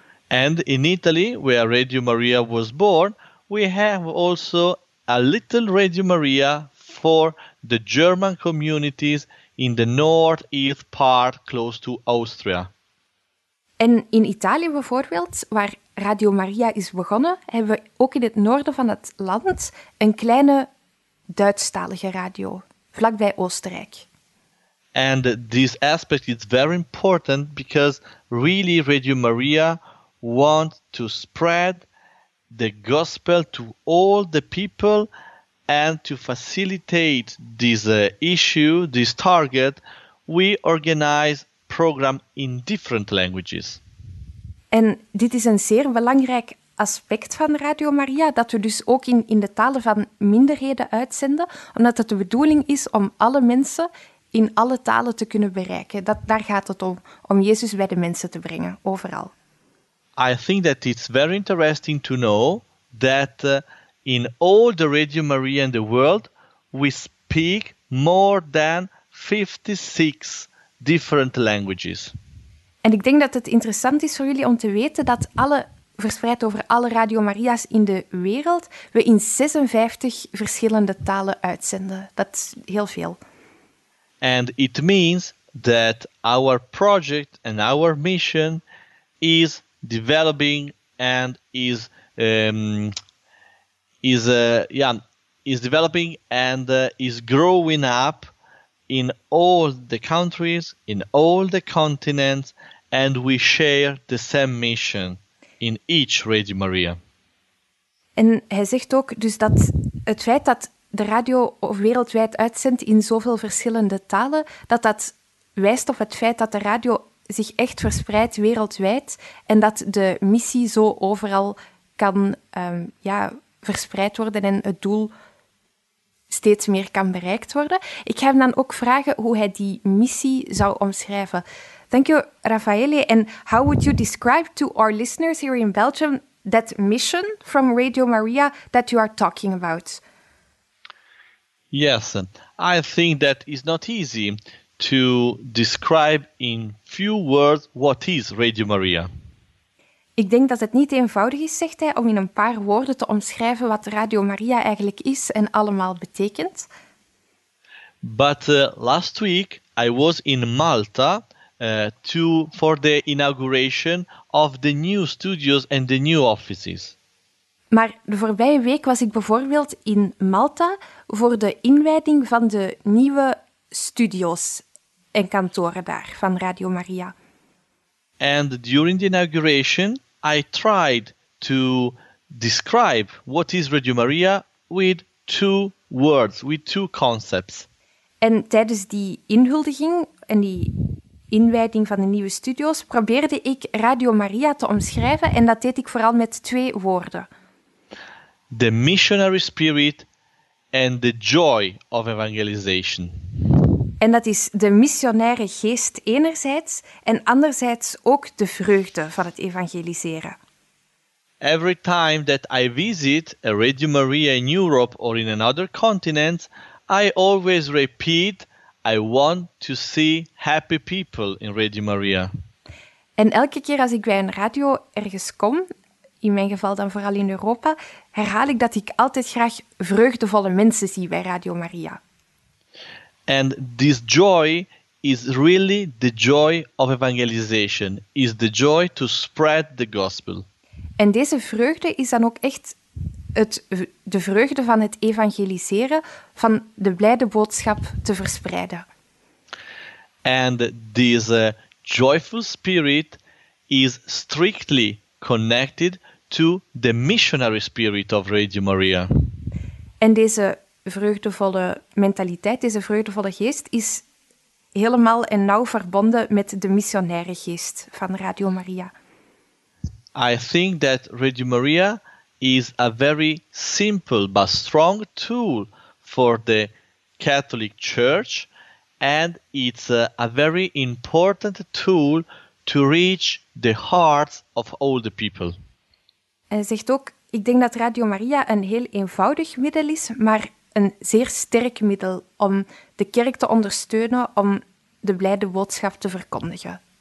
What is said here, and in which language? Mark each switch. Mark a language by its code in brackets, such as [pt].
[en] And in Italy, where Radio Maria was born, we have also a little Radio Maria for the German communities in the northeast part close to Austria. [nl] En in Italië bijvoorbeeld, waar Radio Maria is begonnen, hebben we ook in het noorden van het land een kleine Duitsstalige radio, vlakbij Oostenrijk. [en] And this aspect is very important because really Radio Maria wants to spread the gospel to all the people and to facilitate this issue, this target, we organize program in different languages. [nl] En dit is een zeer belangrijk aspect van Radio Maria, dat we dus ook in de talen van minderheden uitzenden, omdat het de bedoeling is om alle mensen in alle talen te kunnen bereiken. Daar gaat het om Jezus bij de mensen te brengen, overal. [en] I think that it's very interesting to know that in all the Radio Maria in the world, we speak more than 56 different languages. [nl] En ik denk dat het interessant is voor jullie om te weten dat alle verspreid over alle Radio Maria's in de wereld we in 56 verschillende talen uitzenden. Dat is heel veel. [en] And it means that our project and our mission is developing and is growing up in all the countries, in all the continents, and we share the same mission in each Radio Maria. [nl] En hij zegt ook dus dat het feit dat de radio wereldwijd uitzendt in zoveel verschillende talen, dat dat wijst op het feit dat de radio zich echt verspreidt wereldwijd en dat de missie zo overal kan verspreid worden en het doel steeds meer kan bereikt worden. Ik ga hem dan ook vragen hoe hij die missie zou omschrijven. [en] Thank you, Raffaele. And how would you describe to our listeners here in Belgium that mission from Radio Maria that you are talking about? Yes, I think that is not easy to describe in few words what is Radio Maria. [nl] Ik denk dat het niet eenvoudig is, zegt hij, om in een paar woorden te omschrijven wat Radio Maria eigenlijk is en allemaal betekent. [en] But last week I was in Malta for the inauguration of the new studios and the new offices. [nl] Maar de voorbije week was ik bijvoorbeeld in Malta voor de inwijding van de nieuwe studios en kantoren daar van Radio Maria. [en] And during the inauguration, I tried to describe what is Radio Maria with two words, with two concepts. [nl] En tijdens die inhuldiging en die inwijding van de nieuwe studios probeerde ik Radio Maria te omschrijven en dat deed ik vooral met twee woorden. [en] The missionary spirit and the joy of evangelization. [nl] En dat is de missionaire geest enerzijds en anderzijds ook de vreugde van het evangeliseren. [en] Every time that I visit a Radio Maria in Europe or in another continent, I always repeat, I want to see happy people in Radio Maria. [nl] En elke keer als ik bij een radio ergens kom, in mijn geval dan vooral in Europa, herhaal ik dat ik altijd graag vreugdevolle mensen zie bij Radio Maria. [en] And this joy is really the joy of evangelization, is the joy to spread the gospel. [nl] En deze vreugde is dan ook echt de vreugde van het evangeliseren, van de blijde boodschap te verspreiden. [en] And this joyful spirit is strictly connected to the missionary spirit of Radio Maria. [nl] En deze vreugdevolle mentaliteit, deze vreugdevolle geest, is helemaal en nauw verbonden met de missionaire geest van Radio Maria. [en] I think that Radio Maria is a very simple but strong tool for the Catholic Church, and it's a very important tool to reach the hearts of all the people. [nl] En zegt ook, ik denk dat Radio Maria een heel eenvoudig middel is, maar een zeer sterk middel om de kerk te ondersteunen, om de blijde boodschap te verkondigen.